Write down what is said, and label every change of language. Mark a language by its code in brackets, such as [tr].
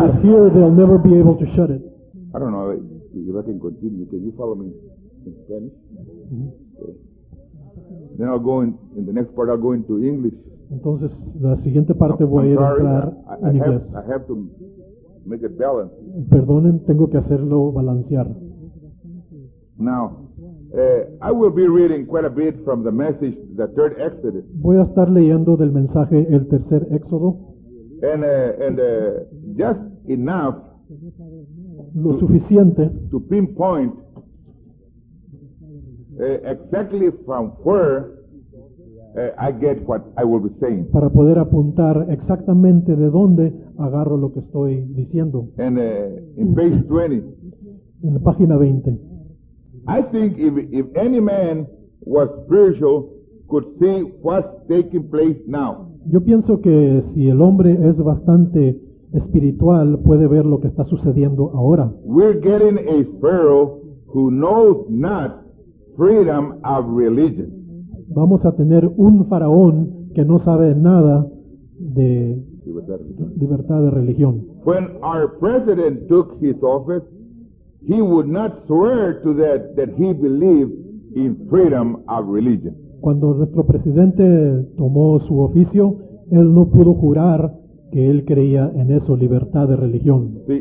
[en] But what is here, they'll never be able to shut it. I don't know. If I can continue, can you follow me in Spanish? Mm-hmm. Then I'll go in the next part. I'll go into English. [es] Entonces, la siguiente parte voy a entrar en inglés. [en] I have to make it balance. [es] Perdonen, tengo que hacerlo balancear. [en] Now, I will be reading quite a bit from the message, the third Exodus. [es] Voy a estar leyendo del mensaje el tercer Éxodo. [en] And just enough. [es] Lo suficiente. [en] To pinpoint. Exactly from where I get what I will be saying. [es] Para poder apuntar exactamente de dónde agarro lo que estoy diciendo. [en] And in page 20. [es] En la página 20. [en] I think if any man was spiritual could see what's taking place now. [es] Yo pienso que si el hombre es bastante espiritual puede ver lo que está sucediendo ahora. [en] We're getting a Pharaoh who knows not freedom of religion. [es] Vamos a tener un faraón que no sabe nada de libertad de religión. [en] When our president took his office, he would not swear to that he believed in freedom of religion. [es] Cuando nuestro presidente tomó su oficio, él no pudo jurar que él creía en eso, libertad de religión.